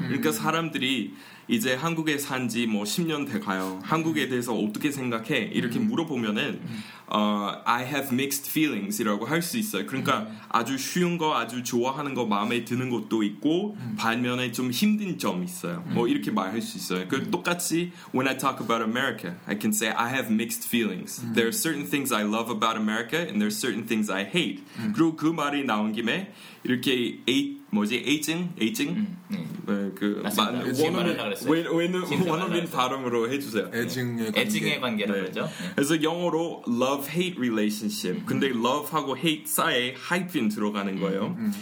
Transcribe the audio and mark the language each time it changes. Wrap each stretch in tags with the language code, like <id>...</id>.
<ko>그러니까 사람들이 이제 한국에 산 지 뭐 10년 돼 가요. 한국에 대해서 어떻게 생각해? 이렇게 물어보면은</ko> <en>I have mixed feelings</en> <ko>이라고 할 수 있어요. 그러니까 아주 쉬운 거 아주 좋아하는 거 마음에 드는 것도 있고 반면에 좀 힘든 점 있어요. 뭐 이렇게 말할 수 있어요. 그 똑같이</ko> <en>when I talk about America I can say I have mixed feelings. There are certain things I love about America and there are certain things I hate.</en> <ko>그리고 그 말이 나온 김에 이렇게 뭐지?</ko> <en>aging?</en> <ko>그 원어민 원어민 발음으로 해주세요. aging의 관계라고 그러죠. 그래서 영어로</ko> <en>love hate relationship.</en> <ko>근데 love 하고 hate 사이에 hyphen 들어가는 거예요.</ko>